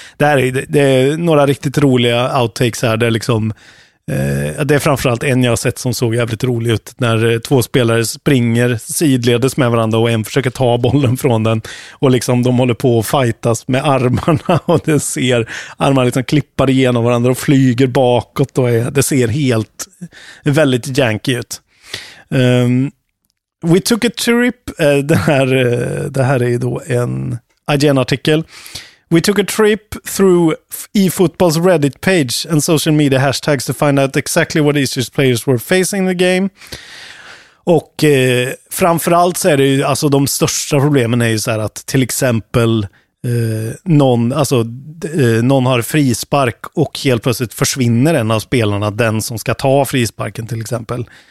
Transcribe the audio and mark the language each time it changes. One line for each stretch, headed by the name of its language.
Swedish: Det är några riktigt roliga outtakes här, där liksom det är framförallt en jag har sett som såg jävligt rolig ut, när två spelare springer sidledes med varandra och en försöker ta bollen från den, och liksom de håller på att fightas med armarna, och det ser armarna liksom klippar igenom varandra och flyger bakåt, och det ser helt väldigt janky ut.
English: We took a trip,
Swedish: det här är ju då en IGN-artikel.
English: We took a trip through eFootball's Reddit page and social media hashtags to find out exactly what issues players were facing in the game.
Swedish: Och framförallt så är det ju, alltså de största problemen är ju så här att till exempel någon har frispark och helt plötsligt försvinner en av spelarna, den som ska ta frisparken till exempel.